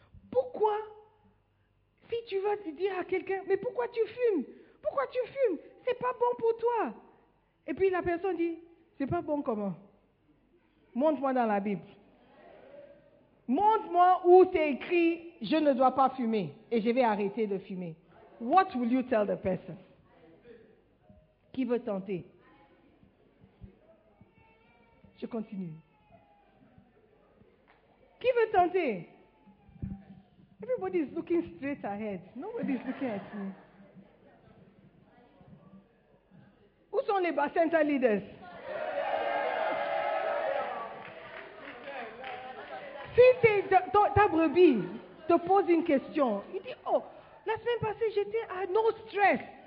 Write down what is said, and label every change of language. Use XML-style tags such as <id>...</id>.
<fr>Pourquoi, si tu vas dire à quelqu'un, mais pourquoi tu fumes? Pourquoi tu fumes? C'est pas bon pour toi. Et puis la personne dit, c'est pas bon comment? Montre-moi dans la Bible. Montre-moi où c'est écrit, je ne dois pas fumer et je vais arrêter de fumer.</fr> <en>What will you tell the person?</en> <fr>Qui veut tenter? Je continue. Qui veut tenter?</fr> <en>Everybody is looking straight ahead. Nobody is looking at me.</en> <fr>Où sont les Bacenta leaders? Si ta brebis te pose une question, il dit, oh, la semaine passée, j'étais à No Stress.</fr>